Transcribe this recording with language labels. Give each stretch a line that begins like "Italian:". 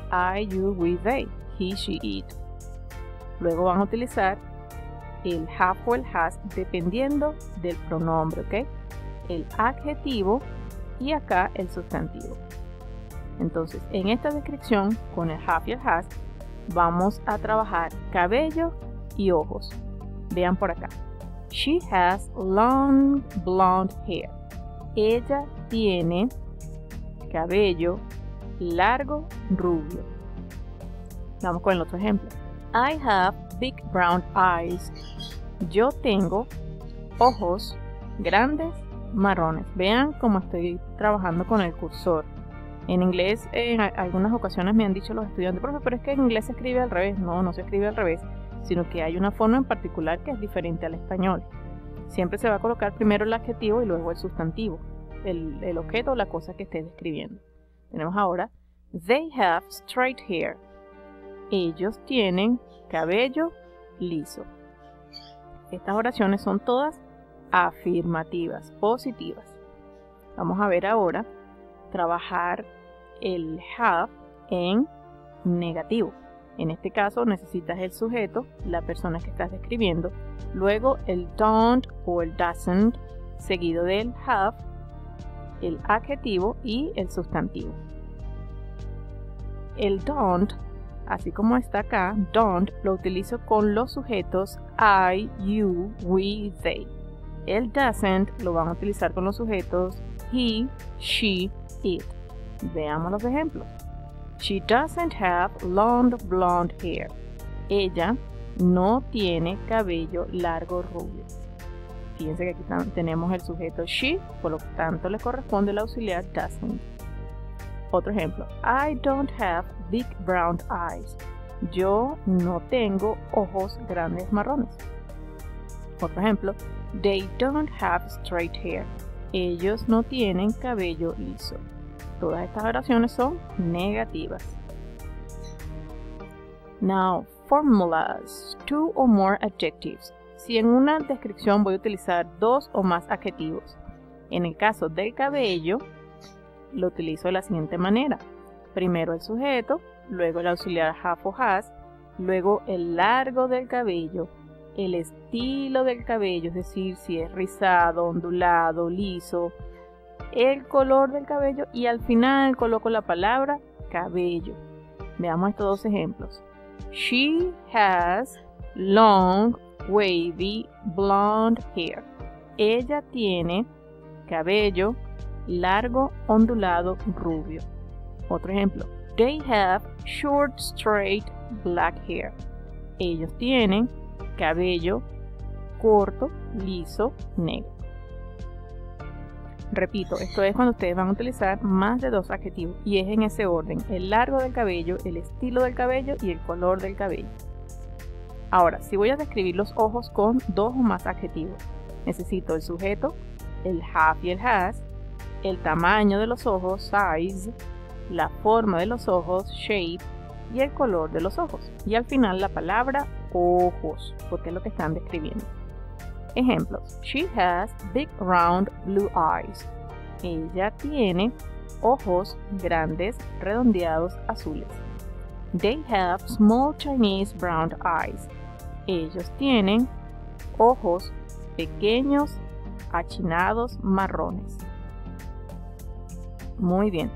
English: I, you, we, they, he, she, it.
Spanish: Luego van a utilizar el have o el has dependiendo del pronombre, ¿ok? El adjetivo y acá el sustantivo. Entonces, en esta descripción, con el have y el has, vamos a trabajar cabello y ojos. Vean por acá.
English: She has long blonde hair.
Spanish: Ella tiene cabello largo rubio. Vamos con el otro ejemplo.
English: I have big brown eyes.
Spanish: Yo tengo ojos grandes marrones. Vean cómo estoy trabajando con el cursor. En inglés, en algunas ocasiones me han dicho los estudiantes, profe, pero es que en inglés se escribe al revés. No, no se escribe al revés, sino que hay una forma en particular que es diferente al español. Siempre se va a colocar primero el adjetivo y luego el sustantivo, el objeto o la cosa que esté describiendo. Tenemos ahora,
English: they have straight hair.
Spanish: Ellos tienen cabello liso. Estas oraciones son todas afirmativas, positivas. Vamos a ver ahora trabajar el have en negativo. En este caso necesitas el sujeto, la persona que estás describiendo, luego el don't o el doesn't, seguido del have, el adjetivo y el sustantivo. El don't, así como está acá, don't, lo utilizo con los sujetos I, you, we, they. El doesn't lo van a utilizar con los sujetos he, she, it. Veamos los ejemplos.
English: She doesn't have long blonde hair.
Spanish: Ella no tiene cabello largo rubio. Fíjense que aquí tenemos el sujeto she, por lo tanto le corresponde el auxiliar doesn't. Otro ejemplo.
English: I don't have big brown eyes.
Spanish: Yo no tengo ojos grandes marrones. Otro ejemplo.
English: They don't have straight hair.
Spanish: Ellos no tienen cabello liso. Todas estas oraciones son negativas.
English: Now, formulas. Two or more adjectives.
Spanish: Si en una descripción voy a utilizar dos o más adjetivos. En el caso del cabello, lo utilizo de la siguiente manera. Primero el sujeto, luego el auxiliar have o has, luego el largo del cabello, el estilo del cabello, es decir, si es rizado, ondulado, liso, el color del cabello y al final coloco la palabra cabello. Veamos estos dos ejemplos.
English: She has long, wavy, blonde hair.
Spanish: Ella tiene cabello largo, ondulado, rubio. Otro ejemplo.
English: They have short, straight, black hair.
Spanish: Ellos tienen cabello corto, liso, negro. Repito, esto es cuando ustedes van a utilizar más de dos adjetivos y es en ese orden, el largo del cabello, el estilo del cabello y el color del cabello. Ahora, si voy a describir los ojos con dos o más adjetivos, necesito el sujeto, el have y el has, el tamaño de los ojos, size, la forma de los ojos, shape, y el color de los ojos. Y al final la palabra ojos, porque es lo que están describiendo. Ejemplos.
English: She has big round blue eyes.
Spanish: Ella tiene ojos grandes, redondeados, azules.
English: They have small Chinese brown eyes.
Spanish: Ellos tienen ojos pequeños, achinados, marrones. Muy bien.